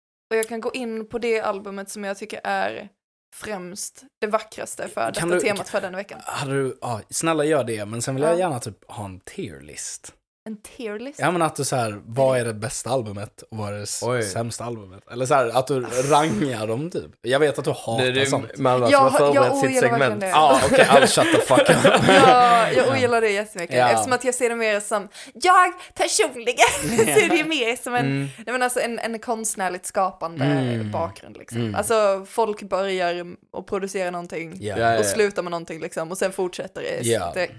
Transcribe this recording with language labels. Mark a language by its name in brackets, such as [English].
[Swedish] Och jag kan gå in på det albumet som jag tycker är främst det vackraste för kan detta du, temat för den veckan. Snälla gör det, men sen vill jag gärna typ ha en tier list. En tier list. Ja, men att du så här, vad är det bästa albumet och vad är det sämsta albumet? Eller så här, att du rangar dem typ. Jag vet att du hatar det sånt. Malva, jag har förberett sitt segment. Ja, okej, [English] I'll shut the fuck up. [Swedish] Jag ogillar det jättemycket. Ja. Eftersom att jag ser det mer som, jag personligen ser det mer som en, nej, men alltså en konstnärligt skapande bakgrund. Liksom. Mm. Alltså folk börjar och producerar någonting och slutar med någonting liksom, och sen fortsätter det. Ja.